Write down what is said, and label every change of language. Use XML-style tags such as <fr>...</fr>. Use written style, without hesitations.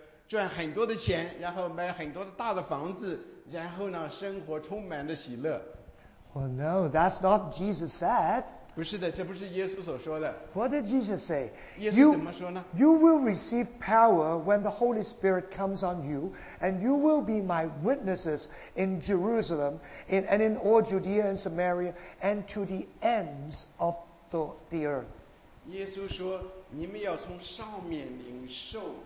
<zh>赚很多的钱，然后买很多的大的房子，然后呢，生活充满了喜乐。</zh> <en>Well, no, that's not Jesus said.</en> <zh>不是的，这不是耶稣所说的。</zh> <en>What did Jesus say?</en> <zh>耶稣怎么说呢？</zh> <en>You will receive power when the Holy Spirit comes on you, and you will be my witnesses in Jerusalem, and in all Judea and Samaria, and to the ends of the earth.</en> <zh>耶稣说，你们要从上面领受。</zh>